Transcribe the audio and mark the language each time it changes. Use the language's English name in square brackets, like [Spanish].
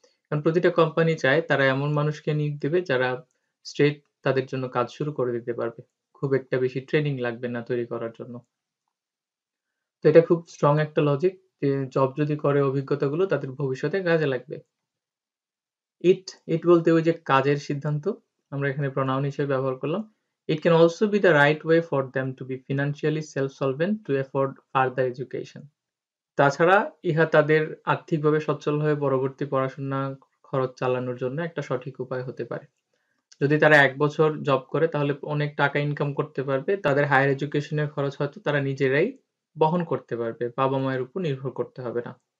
[Bangla] কারণ প্রতিটা কোম্পানি চায় তারা এমন মানুষকে নিয়োগ দেবে যারা স্ট্রেট তাদের জন্য কাজ শুরু করে দিতে পারবে, খুব একটা বেশি ট্রেনিং লাগবে না তৈরি করার জন্য। তো এটা খুব স্ট্রং একটা লজিক যে জব যদি করে অভিজ্ঞতাগুলো তাদের ভবিষ্যতে কাজে লাগবে। ইট, ইট বলতে ওই যে কাজের সিদ্ধান্ত আমরা এখানে প্রোনাউন হিসেবে ব্যবহার করলাম। [English] It can also be the right way for them to be financially self-solvent to afford further education. [Bangla] তাছাড়া ইহা তাদের আর্থিকভাবে সচ্ছল হয়ে পরবর্তী পড়াশোনা খরচ চালানোর জন্য একটা সঠিক উপায় হতে পারে। যদি তারা 1 বছর জব করে তাহলে অনেক টাকা ইনকাম করতে পারবে, তাদের হায়ার এডুকেশনের খরচ হয়তো তারা নিজেরাই বহন করতে পারবে, বাবা মায়ের উপর নির্ভর করতে হবে না।